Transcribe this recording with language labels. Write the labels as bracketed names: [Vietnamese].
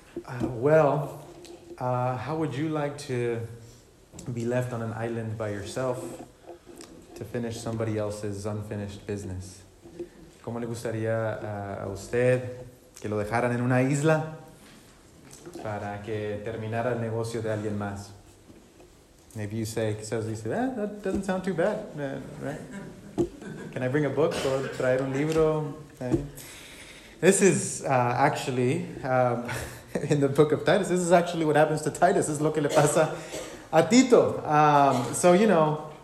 [English] How would you like to be left on an island by yourself to finish somebody else's unfinished business? [Spanish] ¿Cómo le gustaría a usted que lo dejaran en una isla para que terminara el negocio de alguien más? [English] Maybe you say, that doesn't sound too bad, right? Can I bring a book or [Spanish] traer un libro? [English] This is actually, in the book of Titus, this is actually what happens to Titus. This is [Spanish] lo que le pasa a Tito.